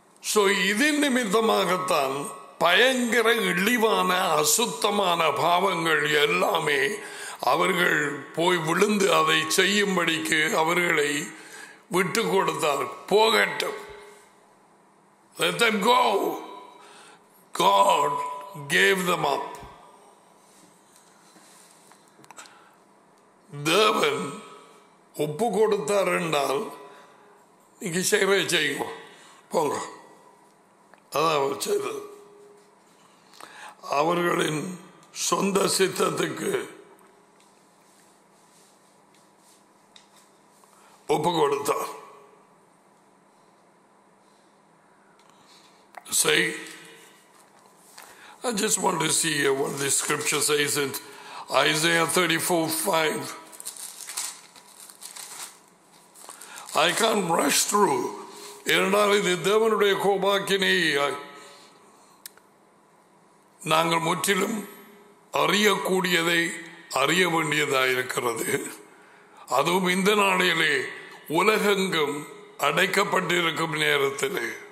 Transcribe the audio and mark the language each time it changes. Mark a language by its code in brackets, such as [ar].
[ta] So இது நிமித்தமாகத்தான் பயங்கர இழிவான அசுத்தமான பாவங்கள் எல்லாமே அவர்கள் போய் விழுந்து அதை செய்யும்படிக்கு அவர்களை விட்டு கொடுத்தார். போகட்டும், [en] let them go. God gave them up. [ta] தேவன் ஒப்பு கொடுத்தார் என்றால் நீங்க சேவை செய்யும் போங்க. அதான் அவர் செய்தது. அவர்களின் சொந்த சித்தத்துக்கு ஒப்பு கொடுத்தார். [en] Say, I just want to see what this scripture says in Isaiah 34:5. I can't rush through. [ta] ஏனென்றால் இது தேவனுடைய கோபாக்கினை நாங்கள் முற்றிலும் அறியக்கூடியதை அறிய வேண்டியதாயிருக்கிறது. அதுவும் இந்த நாளிலே உலகெங்கும் அடைக்கப்பட்டிருக்கும் நேரத்திலே.